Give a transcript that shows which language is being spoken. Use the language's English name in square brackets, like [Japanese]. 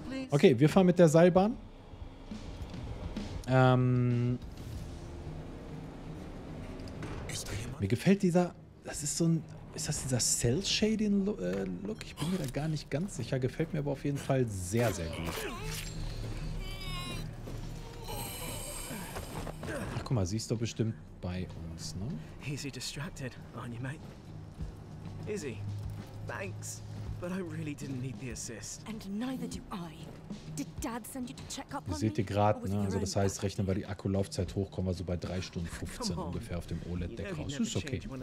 [German] Okay, wir fahren mit der Seilbahn. Mir gefällt dieser, das ist so ein, ist das dieser Cell-Shading-Look? Ich bin mir da gar nicht ganz sicher, gefällt mir aber auf jeden Fall sehr, sehr gut. Ach, guck mal, sie ist doch bestimmt bei uns, ne? [English] Is he distracted, aren't you, mate? Is he? Thanks, but I really didn't need the assist. And neither do I. Did Dad send you to check up on me? [German] Seht ihr gerade, ne? Also das heißt, rechnen wir die Akkulaufzeit hoch, kommen wir so bei 3 Stunden 15 ungefähr auf dem OLED-Deck raus. Ist okay.